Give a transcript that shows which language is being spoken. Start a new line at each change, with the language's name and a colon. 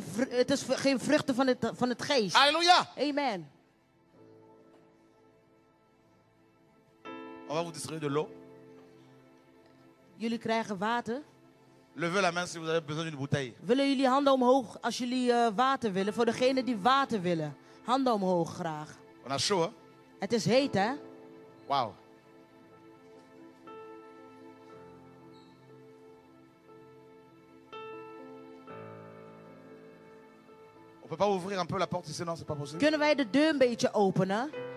Dutch: Het is geen vruchten van het geest. Alléluia. Amen.
French: On va vous distribuer de l'eau.
Dutch: Jullie krijgen water.
French: Levez la main si vous avez besoin d'une bouteille.
Dutch: Willen jullie handen omhoog als jullie water willen? Voor degene die water willen. Handen omhoog graag.
French: On a chaud, hein?
Dutch: Het is heet, hè? Wauw.
French: On peut pas ouvrir un peu la porte ici, non, c'est pas possible.
Dutch: Kunnen wij de deur een beetje openen?